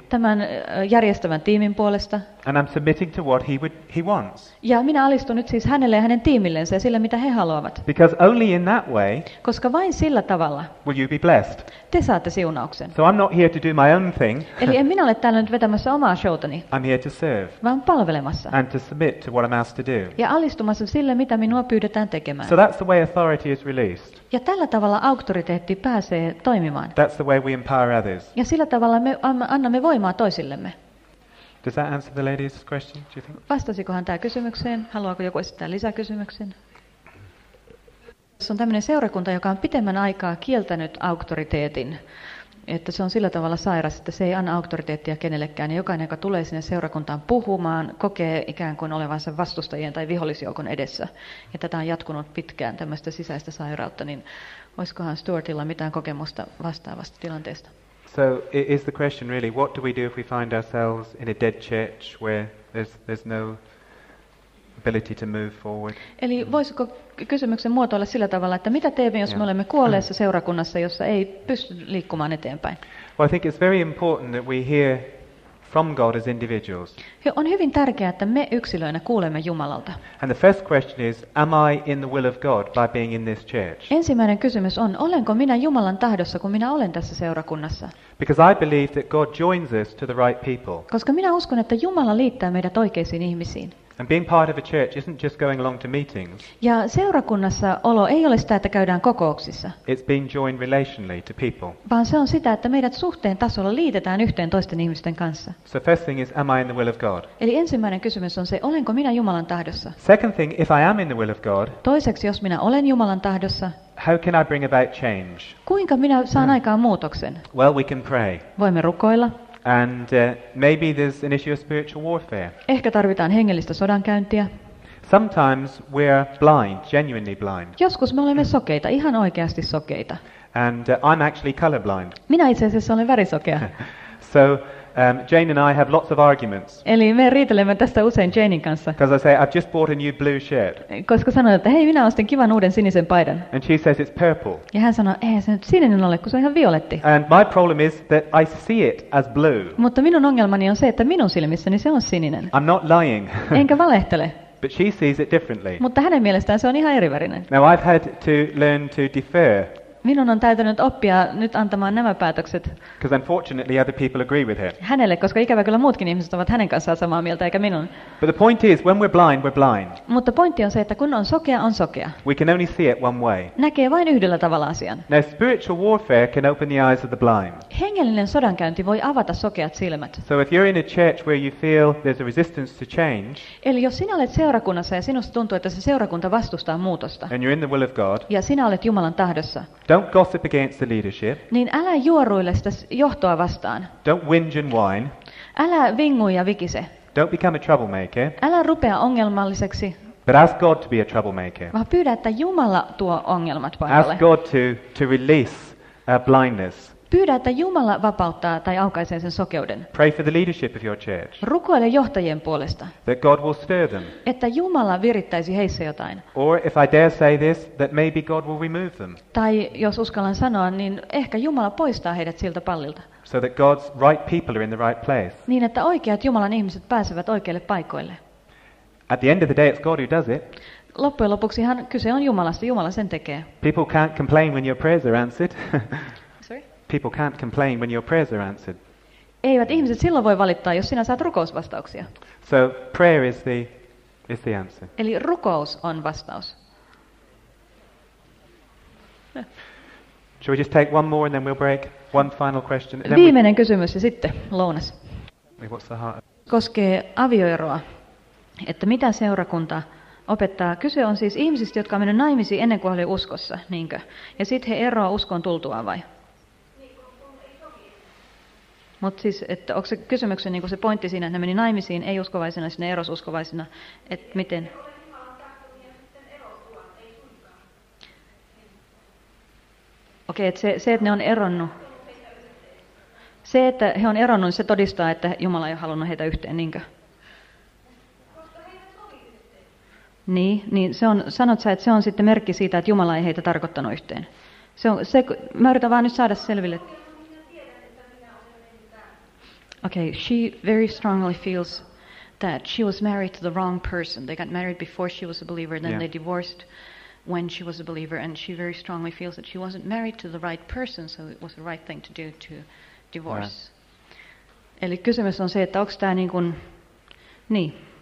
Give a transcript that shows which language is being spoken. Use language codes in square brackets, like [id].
[fi] Tämän järjestävän tiimin puolesta. [en] And I'm submitting to what he wants. [fi] Ja minä alistun nyt siis hänelle ja hänen tiimillensä ja sille, mitä he haluavat. [en] Because only in that way. [fi] Koska vain sillä tavalla. [en] Will you be blessed? [fi] Te saatte siunauksen. [en] So I'm not here to do my own thing. [fi] Eli en minä ole täällä nyt vetämässä omaa showtani. [en] I'm here to serve. [fi] Vaan palvelemassa. [en] And to submit to what I'm asked to do. [fi] Ja alistumassa sille, mitä minua pyydetään tekemään. [en] So that's the way authority is released. [fi] Ja tällä tavalla auktoriteetti pääsee toimimaan. [en] That's the way we empower others. [fi] Ja sillä tavalla me annamme voimaa toisillemme. [en] Does that answer the lady's question, do you think? [fi] Vastasikohan tämä kysymykseen? Haluaako joku esittää lisäkysymyksen? Se on tämmöinen seurakunta, joka on pitemmän aikaa kieltänyt auktoriteetin. Että se on sillä tavalla sairas, että se ei anna auktoriteettia kenellekään. Jokainen, joka tulee sinne seurakuntaan puhumaan, kokee ikään kuin olevansa vastustajien tai vihollisjoukon edessä. Ja tätä on jatkunut pitkään, tämmöistä sisäistä sairautta. Niin olisikohan Stuartilla mitään kokemusta vastaavasta tilanteesta? [en] So is the question really, what do we do if we find ourselves in a dead church where there's no ability to move forward? [fi] Eli voisiko kysymyksen muotoilla sillä tavalla, että mitä teemme, jos me olemme kuolleessa seurakunnassa, jossa ei pysty liikkumaan eteenpäin? [en] Well, I think it's very important that we hear from God as individuals. [fi] On hyvin tärkeää, että me yksilöinä kuulemme Jumalalta. [en] And the first question is, am I in the will of God by being in this church? [fi] Ensimmäinen kysymys on, olenko minä Jumalan tahdossa, kun minä olen tässä seurakunnassa? [en] Because I believe that God joins us to the right people. [fi] Koska minä uskon, että Jumala liittää meidät oikeisiin ihmisiin. [en] And being part of a church isn't just going along to meetings. [fi] Ja seurakunnassa olo ei ole sitä, että käydään kokouksissa. [en] It's being joined relationally to people. [fi] Vaan se on sitä, että meidät suhteen tasolla liitetään yhteen toisten ihmisten kanssa. [en] So first thing is, am I in the will of God? [fi] Eli ensimmäinen kysymys on se, olenko minä Jumalan tahdossa? [en] Second thing, if I am in the will of God. [fi] Toiseksi, jos minä olen Jumalan tahdossa. [en] How can I bring about change? [fi] Kuinka minä saan aikaan muutoksen? [en] Well, we can pray. [fi] Voimme rukoilla. [en] And maybe there's an issue of spiritual warfare. [fi] Ehkä tarvitaan hengellistä sodankäyntiä. [en] Sometimes we're blind, genuinely blind. [fi] Joskus me olemme sokeita, ihan oikeasti sokeita. [en] And I'm actually color blind. [fi] Minä itse asiassa olen värisokea. [en] So Jane and I have lots of arguments. [fi] Eli me riitelemme tästä usein Janein kanssa. [en] Because I say I've just bought a new blue shirt. [fi] Koska sanon, että hei, minä ostin kivan uuden sinisen paidan. [en] And she says it's purple. [fi] Ja hän sanoo, ei se nyt sininen ole, kun se on ihan violetti. [en] And my problem is that I see it as blue. [fi] Mutta minun ongelmani on se, että minun silmissäni se on sininen. [en] I'm not lying. [fi] Enkä valehtele. [en] But she sees it differently. [fi] Mutta hänen mielestään se on ihan erivärinen. [en] Now I've had to learn to defer. [fi] Minun on täytynyt oppia nyt antamaan nämä päätökset. [en] Because unfortunately other people agree with him. [fi] Hänelle, koska ikävä kyllä muutkin ihmiset ovat hänen kanssaan samaa mieltä eikä minun. [en] But the point is, when we're blind, we're blind. [fi] Mutta pointti on se, että kun on sokea, on sokea. [en] We can only see it one way. [fi] Näkee vain yhdellä tavalla asian. [en] Now, spiritual warfare can open the eyes of the blind. [fi] Hengellinen sodankäynti voi avata sokeat silmät. [en] So if you're in a church where you feel there's a resistance to change. [fi] Eli jos sinä olet seurakunnassa ja sinusta tuntuu, että se seurakunta vastustaa muutosta. [en] And you're in the will of God. [fi] Ja sinä olet Jumalan tahdossa. [en] Don't gossip against the leadership. [fi] Niin älä juoruile sitä johtoa vastaan. [en] Don't whinge and whine. [fi] Älä vingu ja vikise. [en] Don't become a troublemaker. [fi] Älä rupea ongelmalliseksi. [en] But ask God to be a troublemaker. [fi] Vaan pyydä, että Jumala tuo ongelmat paikalle. [en] Ask God to release blindness. [fi] Pyydä, että Jumala vapauttaa tai aukaisee sen sokeuden. [en] Pray for the leadership of your church. [fi] Rukoile johtajien puolesta. [en] That God will stir them. [fi] Että Jumala virittäisi heissä jotain. [en] Or if I dare say this, that maybe God will remove them. [fi] Tai jos uskallan sanoa, niin ehkä Jumala poistaa heidät siltä pallilta. [en] So that God's right people are in the right place. [fi] Niin että oikeat Jumalan ihmiset pääsevät oikeille paikoille. [en] At the end of the day, it's God who does it. [fi] Loppujen lopuksi ihan kyse on Jumalasta. Jumala sen tekee. [en] People can't complain when your prayers are answered. People can't complain when your prayers are answered. [fi] Eivät ihmiset silloin voi valittaa, jos sinä saat rukousvastauksia. [en] So prayer is the answer. [fi] Eli rukous on vastaus. [en] Shall we just take one more and then we'll break? One final question. [fi] Viimeinen kysymys ja sitten lounas. [en] What's the heart? [fi] Koskee avioeroa. Että mitä seurakunta opettaa? Kyse on siis ihmisistä, jotka on mennyt naimisiin ennen kuin oli uskossa, niinkö? Ja sitten he eroavat uskon tultuaan vai? Mutta siis, että onko se kysymyksen niin se pointti siinä, että ne meni naimisiin, ei uskovaisina, sinne eros uskovaisina, että miten? Okei, että se, että ne on eronnut, se, että he on eronnut, niin se todistaa, että Jumala ei ole halunnut heitä yhteen, niinkö? Niin se on, sanot sä, että se on sitten merkki siitä, että Jumala ei heitä tarkoittanut yhteen. Se, mä yritän vaan nyt saada selville. [en] Okay, she very strongly feels that she was married to the wrong person. They got married before she was a believer, then they divorced when she was a believer, and she very strongly feels that she wasn't married to the right person, so it was the right thing to do to divorce. Yeah. [fi] Eli kysymys on se, että onko tämä niin kuin, niin.